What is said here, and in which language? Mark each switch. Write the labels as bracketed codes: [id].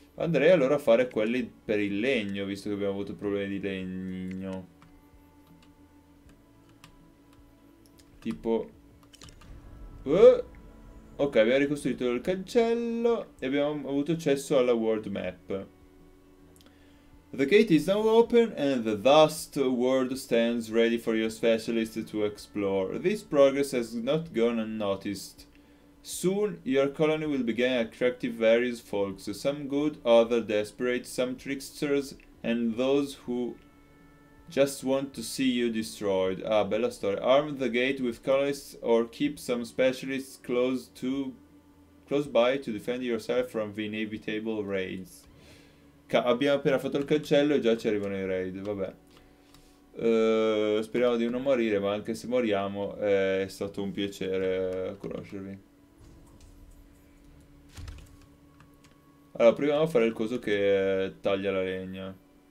[it] Andrei allora a fare quelli per il legno, visto che abbiamo avuto problemi di legno. Tipo... Ok, abbiamo ricostruito il cancello e abbiamo avuto accesso alla world map. [en] The gate is now open and the vast world stands ready for your specialist to explore. This progress has not gone unnoticed. Soon your colony will begin attracting various folks, some good, others desperate, some tricksters, and those who just want to see you destroyed. [it] Ah, bella storia. [en] Arm the gate with colonists or keep some specialists close by to defend yourself from the inevitable raids. [it] Abbiamo appena fatto il cancello e già ci arrivano i raid, vabbè. Speriamo di non morire, ma anche se moriamo è stato un piacere conoscervi. Allora, proviamo a fare il coso che taglia la legna.